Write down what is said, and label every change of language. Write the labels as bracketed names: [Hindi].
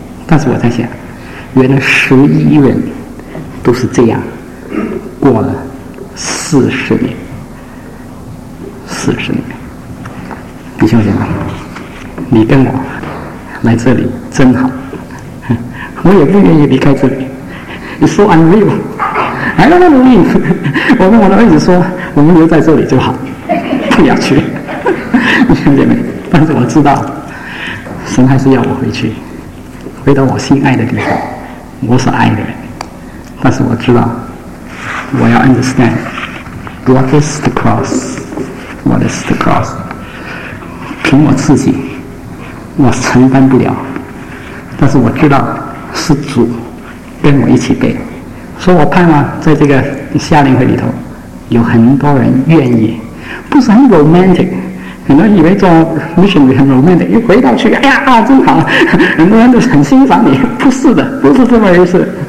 [Chinese] 但是我在想，原来11人都是这样过了40年。 40年，弟兄姐妹，你跟我来这里真好，我也不愿意离开这里。你说 [English] I'm real, I don't want to leave。 [Chinese] 我跟我的儿子说，我们留在这里就好，不要去。弟兄姐妹，但是我知道神还是要我回去，回到我心爱的地方，我所爱的人。但是我知道，我要 [English] understand what is the cross, what is the cross。 [Chinese] 凭我自己我承担不了，但是我知道是主跟我一起背。所以我盼望在这个夏令会里头有很多人愿意，不是很 romantic， 很多人以为做 mission 很 romantic， 一回到去哎呀啊真好，很多人都很欣赏你，不是的，不是这么回事。